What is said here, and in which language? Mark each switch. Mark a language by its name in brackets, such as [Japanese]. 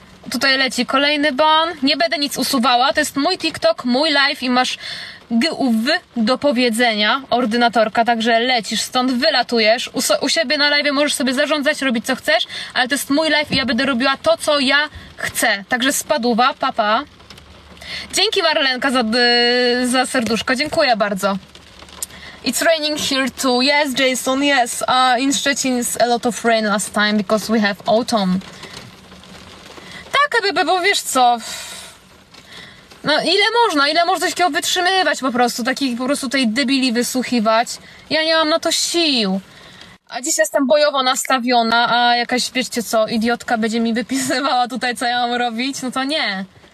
[Polish] Tutaj leci kolejny ban. Nie będę nic usuwała, to jest mój TikTok, mój live i masz GUW do powiedzenia, ordynatorka, także lecisz, stąd wylatujesz. U siebie na live możesz sobie zarządzać, robić co chcesz, ale to jest mój live i ja będę robiła to, co ja chcę. Także spaduwa, papa. Dzięki, Marlenka, za serduszko, dziękuję bardzo. [English] It's raining here too. Yes, Jason, yes. In Szczecin is a lot of rain last time because we have autumn. [Polish] Bo wiesz co, no ile można takiego wytrzymywać po prostu, takich po prostu tej debili wysłuchiwać, ja nie mam na to sił. A dziś jestem bojowo nastawiona, a jakaś, wiecie co, idiotka będzie mi wypisywała tutaj, co ja mam robić, no to nie.